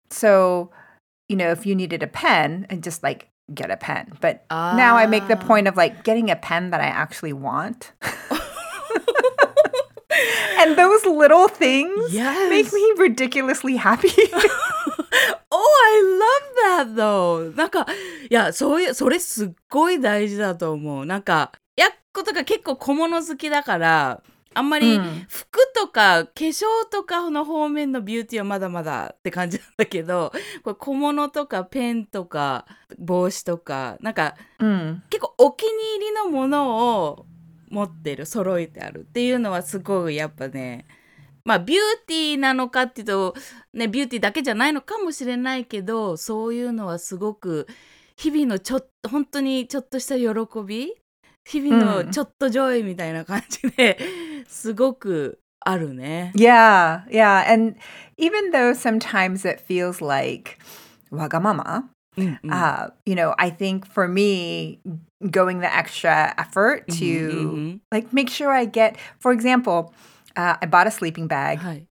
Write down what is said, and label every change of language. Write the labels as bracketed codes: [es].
[en] So, you know, if you needed a pen, and just like get a pen. But now I make the point of like getting a pen that I actually want. And those little things make me ridiculously happy. Oh, I love that though. [ja] なんか、いや、それすっごい大事だと思う。なんか、やっことか結構小物好きだから、あんまり服とか化粧とかの方面のビューティーはまだまだって感じなんだけど、これ小物とかペンとか帽子とか、なんか結構お気に入りのものを持ってる、揃えてあるっていうのはすごいやっぱね、まあビューティーなのかっていうと、ね、ビューティーだけじゃないのかもしれないけど、そういうのはすごく日々のちょっと本当にちょっとした喜び、日々のちょっとジョイみたいな感じで、すごくあるね。 [en] Yeah, yeah. And even though sometimes it feels like わがまま、you know, I think for me, going the extra effort to like make sure I get, for example,、I bought a sleeping bag.、 [ja] はい、